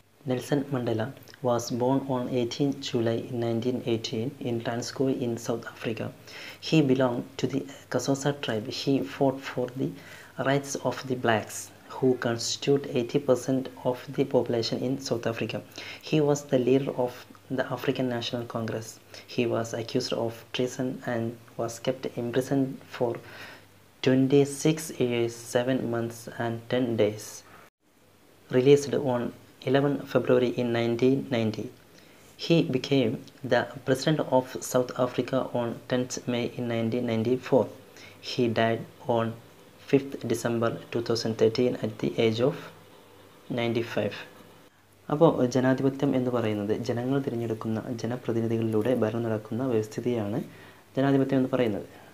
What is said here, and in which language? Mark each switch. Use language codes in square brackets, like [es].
[en] Nelson Mandela was born on 18 July 1918 in Transkei in South Africa. He belong to the Xhosa tribe. He fought for the rights of the blacks who constitute 80% of the population in South Africa. He was the leader of the African National Congress. He was accused of treason and was kept imprisoned for 26 years, 7 months, and 10 days. Released on 11 February 1990. He became the president of South Africa on 10 May 1994. He died on 5th December 2013 at the age of 95. [ml] അപ്പോൾ ജനാധിപത്യം എന്ന് പറയുന്നത് ജനങ്ങൾ തിരഞ്ഞെടുക്കുന്ന ജനപ്രതിനിധികളിലൂടെ ഭരണം നടക്കുന്ന വ്യവസ്ഥിതിയാണ് ജനാധിപത്യം എന്ന് പറയുന്നത്.